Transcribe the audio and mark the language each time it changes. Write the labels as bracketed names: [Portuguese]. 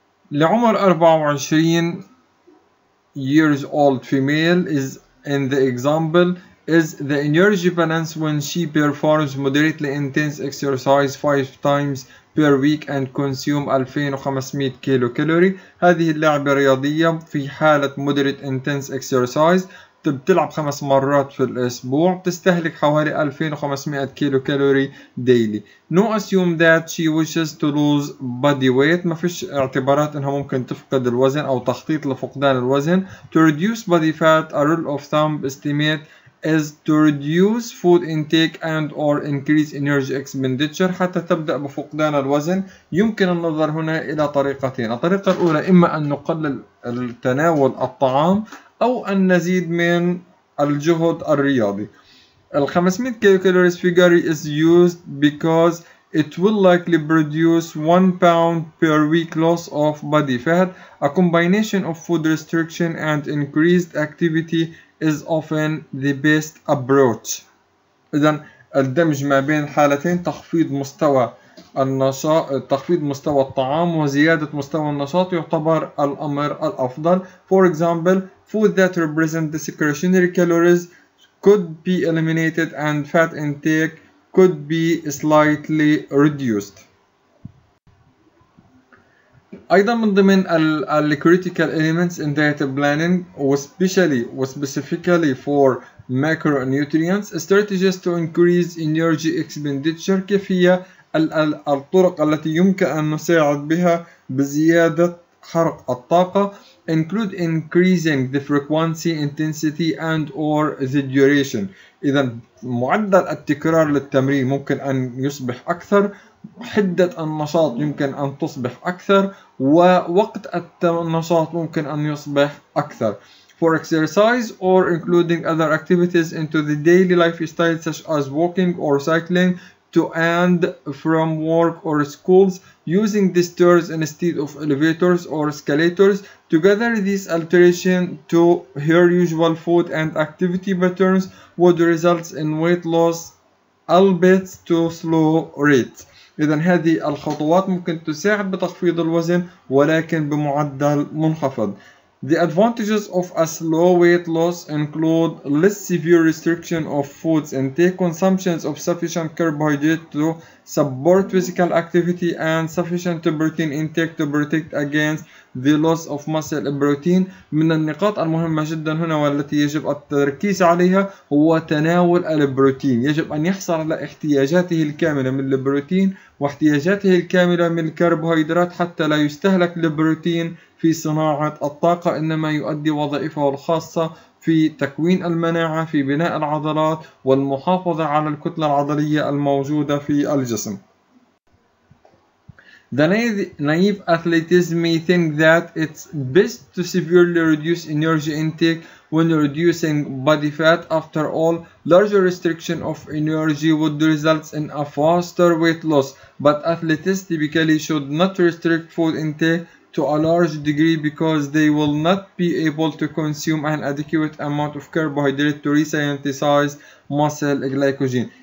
[English] لعمر 24 years old female is in the example is the energy balance when she performs moderately intense exercise 5 times per week and consume 2500 kilocalorie. [Arabic] هذه اللعبة الرياضية في حالة [English] moderate intense exercise [Arabic] بتلعب 5 مرات في الأسبوع، بتستهلك حوالي 2500 كيلو كالوري [English] daily. No assume that she wishes to lose body weight. [Arabic] ما فيش اعتبارات انها ممكن تفقد الوزن او تخطيط لفقدان الوزن. [English] To reduce body fat, a rule of thumb estimate is to reduce food intake and or increase energy expenditure. [Arabic] حتى تبدأ بفقدان الوزن يمكن النظر هنا إلى طريقتين. الطريقة الأولى إما أن نقلل التناول الطعام أو أن نزيد من الجهد الرياضي. [English] الـ 500 kilocalories figure is used because it will likely produce 1 pound per week loss of body fat. A combination of food restriction and increased activity is often the best approach. [Arabic] إذا الدمج ما بين حالتين، تخفيض مستوى النشاط، تخفيض مستوى الطعام وزيادة مستوى النشاط، يعتبر الأمر الأفضل. [English] For example, food that represent discretionary calories could be eliminated and fat intake could be slightly reduced. [Arabic] أيضا من ضمن الـ [English] critical elements in diet planning especially specifically for macronutrients, strategies to increase energy expenditure. [Arabic] كيف هي الطرق التي يمكن أن نساعد بها بزيادة حرق الطاقة [English] include increasing the frequency, intensity and or the duration. [Arabic] إذا معدل التكرار للتمرين ممكن أن يصبح أكثر، حدة النشاط يمكن أن تصبح أكثر، ووقت النشاط ممكن أن يصبح أكثر. [English] For exercise or including other activities into the daily lifestyle such as walking or cycling to and from work or schools, using the stairs instead of elevators or escalators. Together, these alterations to her usual food and activity patterns would result in weight loss, albeit to slow rates. [Arabic] إذن هذه الخطوات ممكن تساعد بتخفيض الوزن ولكن بمعدل منخفض. [English] The advantages of a slow weight loss include less severe restriction of foods intake, consumption of sufficient carbohydrate to support physical activity and sufficient protein intake to protect against the loss of muscle protein. [Arabic] من النقاط المهمة جدا هنا والتي يجب التركيز عليها هو تناول البروتين. يجب أن يحصل على احتياجاته الكاملة من البروتين واحتياجاته الكاملة من الكربوهيدرات حتى لا يستهلك البروتين في صناعة الطاقة، إنما يؤدي وظائفه الخاصة في تكوين المناعة، في بناء العضلات والمحافظة على الكتلة العضلية الموجودة في الجسم. [English] The naive athletes may think that it's best to severely reduce energy intake when reducing body fat. After all, larger restriction of energy would result in a faster weight loss. But athletes typically should not restrict food intake to a large degree because they will not be able to consume an adequate amount of carbohydrate to resynthesize muscle glycogen.